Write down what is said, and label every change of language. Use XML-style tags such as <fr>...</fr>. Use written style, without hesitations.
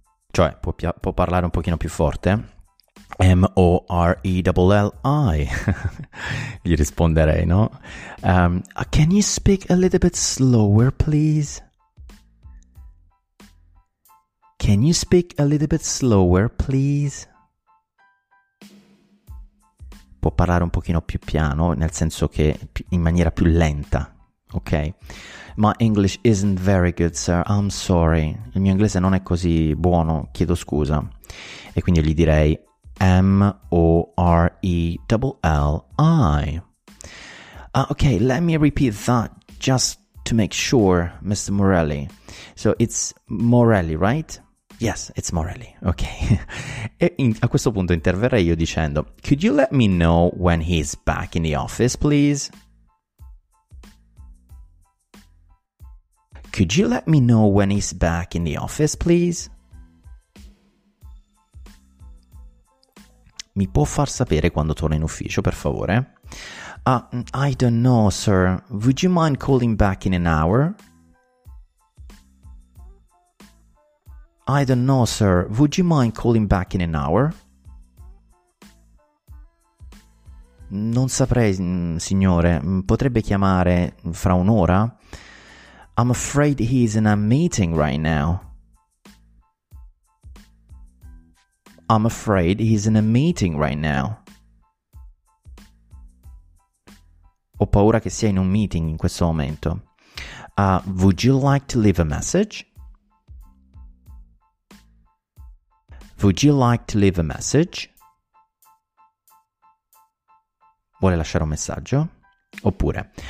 <it>Cioè, può parlare un pochino più forte? M-O-R-E-L-L-I. Gli risponderei, no?</it> <en>Can you speak a little bit slower, please? Can you speak a little bit slower, please?</en> <it>Può parlare un pochino più piano, nel senso che in maniera più lenta, ok?</it> <en>My English isn't very good, sir. I'm sorry.</en> <it>Il mio inglese non è così buono, chiedo scusa. E quindi gli direi M-O-R-E-L-L-I.</it> <en>Okay, let me repeat that just to make sure, Mr. Morelli. So it's Morelli, right? Yes, it's Morelli. Okay.</en> <it>E a questo punto interverrei io dicendo,</it> <en>could you let me know when he's back in the office, please? Could you let me know when he's back in the office, please?</en> <it>Mi può far sapere quando torna in ufficio, per favore?</it> <en>I don't know, sir. Would you mind calling back in an hour? I don't know, sir. Would you mind calling back in an hour?</en> <it>Non saprei, signore. Potrebbe chiamare fra un'ora?</it> <en>I'm afraid he's in a meeting right now. I'm afraid he's in a meeting right now.</en> <it>Ho paura che sia in un meeting in questo momento.</it> <en>Would you like to leave a message? Would you like to leave a message?</en> <it>Vuole lasciare un messaggio? Oppure,</it>